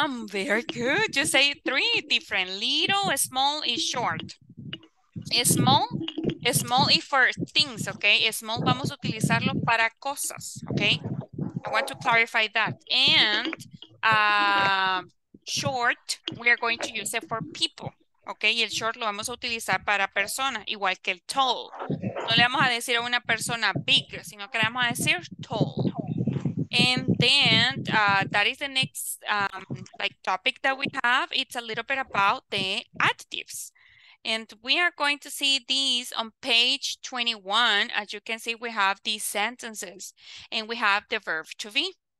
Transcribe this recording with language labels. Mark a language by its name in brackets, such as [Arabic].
[English] Very good. You say three different. Little, small, and short. Small, small is for things, okay? Small, [Spanish] vamos a utilizarlo para cosas, [English] okay? I want to clarify that. And short, we are going to use it for people, okay? [Spanish] Y el short lo vamos a utilizar para persona, igual que el tall. No le vamos a decir a una persona big, sino que le vamos a decir tall. [English] And then that is the next like topic that we have. It's a little bit about the adjectives. And we are going to see these on page 21. As you can see, we have these sentences and we have the verb to be.